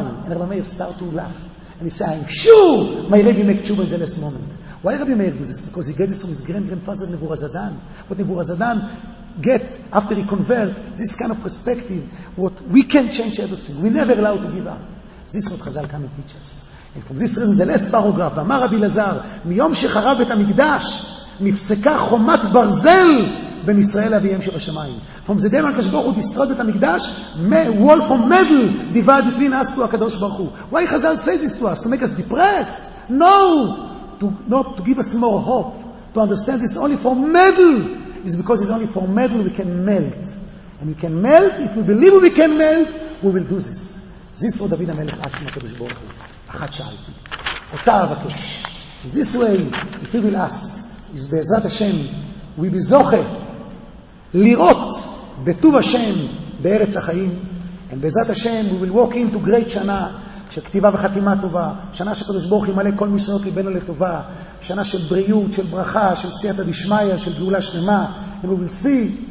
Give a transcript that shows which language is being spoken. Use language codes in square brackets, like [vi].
[en] And Rabbi Meir started to laugh. And he said, I'm sure my Rabbi make tshuva in the last moment. Why Rabbi Meir do this? Because he gets this from his grandfather Nebuchadnezzar. What Nebuchadnezzar get after he convert, this kind of perspective, what we can change everything. We never allowed to give up. This is what Chazal come and teach us. And from this reason, the last paragraph, [he] ואמר רבי לזר, מיום שחרב את המקדש, נפסקה חומת ברזל בין ישראל לאביהם שבשמיים. [en] From the day when Kashbor who destroyed the Mikdash, wall from metal divided between us to HaKadosh Baruch Hu. Why Chazal says this to us? To make us depressed? No! To give us more hope. To understand this only for metal is because it's only for metal we can melt. And we can melt, if we believe we can melt, we will do this. This is what David HaMelech asked HaKadosh Baruch Hu. [he] אחת שאלתי. אותה אבקש. [en] In this way, if we will ask, is [he] בעזרת השם, [en] we be [he] זוכה לראות בטוב השם בארץ החיים, and בעזרת השם, [en] we will walk into great [he] שנה, של כתיבה וחתימה טובה, שנה שקדוש ברוך הוא ימלא כל משנות לבנו לטובה, שנה של בריאות, של ברכה, של סייעתא דשמיא, של גאולה שלמה, [en] and we will see